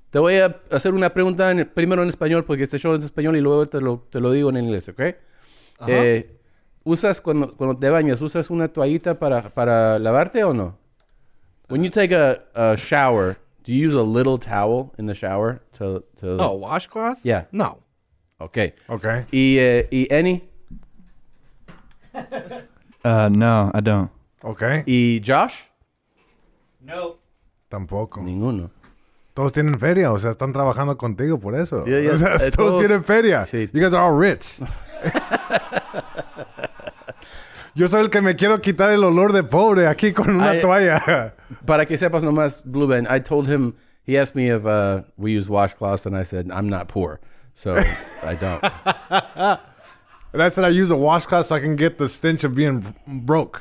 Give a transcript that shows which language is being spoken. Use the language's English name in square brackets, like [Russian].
[Spanish] Te voy a hacer una pregunta primero en español, porque este show es en español y luego te lo digo en inglés, ¿ok? Ajá. ¿Usas cuando te bañas, usas una toallita para lavarte o no? [English] When you take a shower, do you use a little towel in the shower? A washcloth? Yeah. No. Okay. ¿Y any? No, I don't. Okay. [Spanish] ¿Y Josh? No. Tampoco. Ninguno. Todos tienen feria, o sea, están trabajando contigo por eso. [English] Yeah. [Spanish] O sea, todos tienen feria. Sí. [English] You guys are all rich. [Spanish] Yo soy el que me quiero quitar el olor de pobre aquí con una toalla. Para que sepas nomás, [English] Blue Ben, I told him, he asked me if we use washcloths, and I said, I'm not poor, so I don't. And I said, I use a washcloth so I can get the stench of being broke.